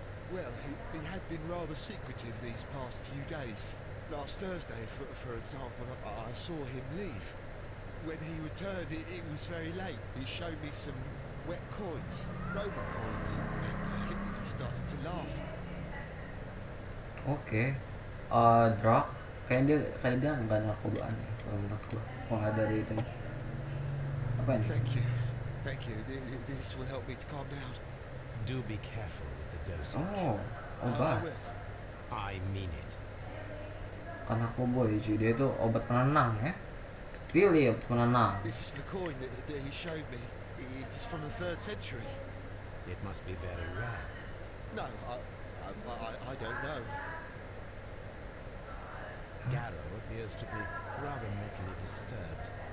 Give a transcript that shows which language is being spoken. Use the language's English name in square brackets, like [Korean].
[English] Well, he had been rather secretive these past few days. Last Thursday, for example, I saw him leave. When he returned, it was very late. He showed me some wet coins, Roman coins, and he started to laugh. Okay. [Indonesian] Drug, kayaknya dia nggak narkobaan ya, kalau menurut gua, kalau nggak dari itu. Apa ini? [English] Thank you. This will help me to calm down. Do be careful with the dosage. [Indonesian] Oh obat. [English] I mean it. [Indonesian] Karena aku boy sih, dia itu obat penenang ya. [English] Really [Indonesian] obat penenang. [English] This is the coin that he showed me. It is from the 3rd century. It must be very rare. No, I don't know. Garo appears to be rather mentally disturbed.